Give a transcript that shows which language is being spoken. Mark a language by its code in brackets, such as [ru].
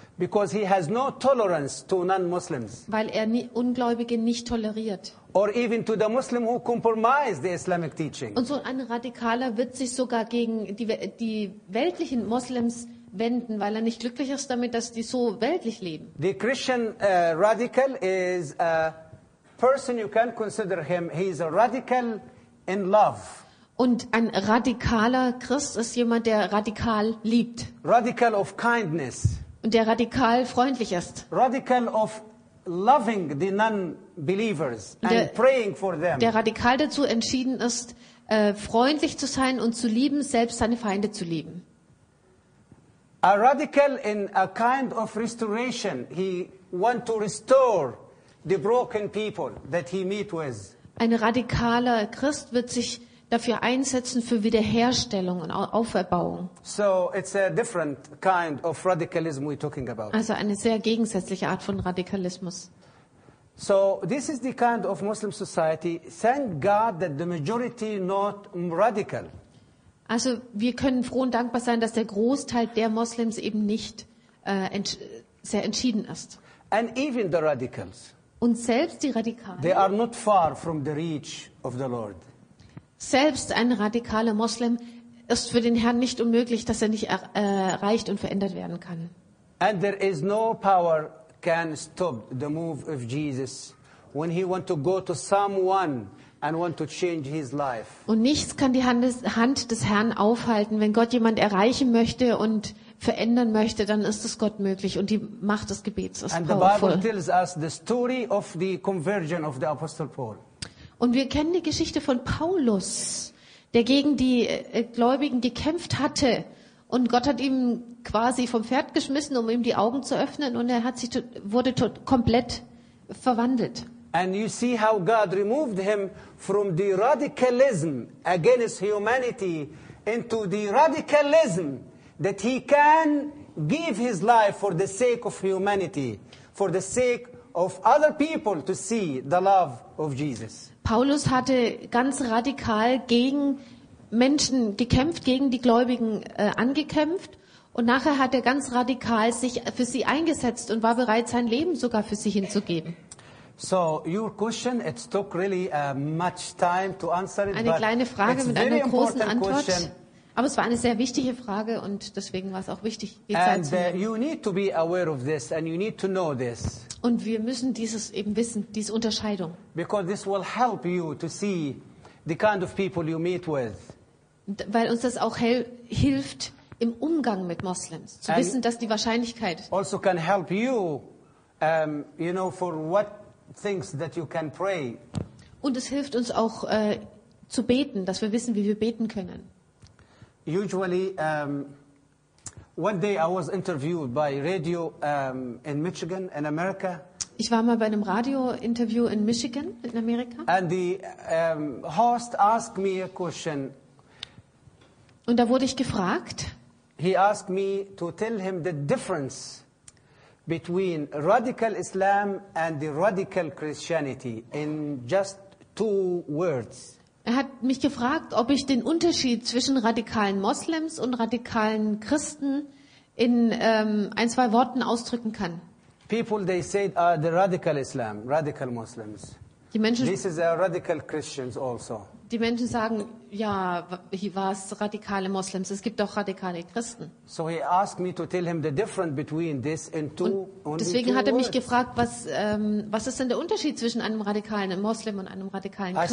[en] Because he has no tolerance to non-Muslims. [de] Weil er Ungläubige nicht toleriert. [en] Or even to the Muslim who compromise the Islamic teaching. [de] Und so ein Radikaler wird sich sogar gegen die weltlichen Moslems wenden, weil er nicht glücklich ist damit, dass die so weltlich leben. [en] The Christian radical is a person, you can consider him, he is a radical in love. [de] Und ein radikaler Christ ist jemand, der radikal liebt. [en] Radical of kindness. [de] Und der radikal freundlich ist. [en] Radical of loving the non-believers and praying for them. [de] Der radikal dazu entschieden ist, freundlich zu sein und zu lieben, selbst seine Feinde zu lieben. [en] A radical in a kind of restoration. He want to restore the broken people that he meet with. [de] Ein radikaler Christ wird sich dafür einsetzen für Wiederherstellung und Auferbauung. [en] So it's a different kind of radicalism we're talking about. [de] Also eine sehr gegensätzliche Art von Radikalismus. [en] So this is the kind of Muslim society. Thank God that the majority not radical. [de] Also wir können froh und dankbar sein, dass der Großteil der Moslems eben nicht sehr entschieden ist. [en] And even the radicals. [de] Und selbst die Radikalen, [en] they are not far from the reach of the Lord. [de] Selbst ein radikaler Moslem ist für den Herrn nicht unmöglich, dass er nicht erreicht und verändert werden kann. [en] And there is no power can stop the move of Jesus when he want to go to someone and want to change his life. [de] Und nichts kann die Hand des Herrn aufhalten, wenn Gott jemand erreichen möchte und verändern möchte, dann ist es Gott möglich und die Macht des Gebets ist [en] and powerful. And the Bible tells us the story of the conversion of the Apostle Paul. [de] Und wir kennen die Geschichte von Paulus, der gegen die Gläubigen gekämpft hatte und Gott hat ihm quasi vom Pferd geschmissen, um ihm die Augen zu öffnen, und er wurde komplett verwandelt. [en] And you see how God removed him from the radicalism against humanity into the radicalism that he can give his life for the sake of humanity, for the sake of other people to see the love of Jesus. [de] Paulus hatte ganz radikal gegen Menschen gekämpft, gegen die Gläubigen angekämpft. Und nachher hat er ganz radikal sich für sie eingesetzt und war bereit, sein Leben sogar für sie hinzugeben. [en] So, your question, it took really much time to answer it. [de] Eine kleine Frage mit einer großen Antwort. Aber es war eine sehr wichtige Frage und deswegen war es auch wichtig, die Zeit zu nehmen. Und wir müssen dieses eben wissen, diese Unterscheidung. [en] Because this will help you to see the kind of people you meet with. [de] Weil uns das auch hilft im Umgang mit Moslems, zu wissen, dass die Wahrscheinlichkeit [en] also can help you, you know, for what things that you can pray. [de] Und es hilft uns auch zu beten, dass wir wissen, wie wir beten können. [en] Usually, one day I was interviewed by radio in Michigan, in America. [de] Ich war mal bei einem Radio-Interview in Michigan, in Amerika. [en] And the host asked me a question. [de] Und da wurde ich gefragt. [en] He asked me to tell him the difference between radical Islam and the radical Christianity in just two words. [de] Er hat mich gefragt, ob ich den Unterschied zwischen radikalen Moslems und radikalen Christen in ein, zwei Worten ausdrücken kann. [en] People, they said, are the radical Islam, radical Muslims. [de] Die Menschen, [en] this is a radical Christians also. [de] Die Menschen sagen, ja, hier war es radikale Moslems. Es gibt auch radikale Christen. [en] So he asked me to tell him the difference between this and two. [de] Und deswegen hat er mich gefragt, was ist denn der Unterschied zwischen einem radikalen Moslem und einem radikalen Christen?